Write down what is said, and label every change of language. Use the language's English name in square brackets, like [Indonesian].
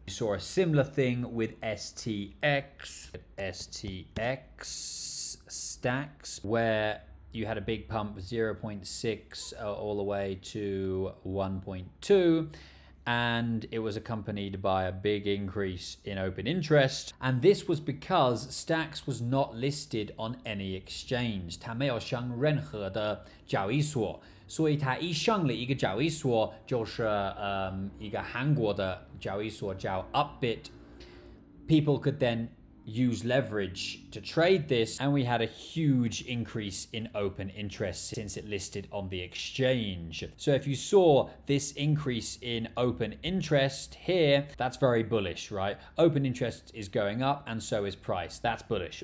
[English] We saw a similar thing with STX stacks, where you had a big pump 0.6 all the way to 1.2. And it was accompanied by a big increase in open interest. And this was because STX was not listed on any exchange. [Chinese] 它没有上任何的交易所。所以它一上了一个交易所，就是一个韩国的交易所叫 Upbit. [English] People could then use leverage to trade this. And we had a huge increase in open interest since it listed on the exchange. So if you saw this increase in open interest here, that's very bullish, right? Open interest is going up and so is price. That's bullish.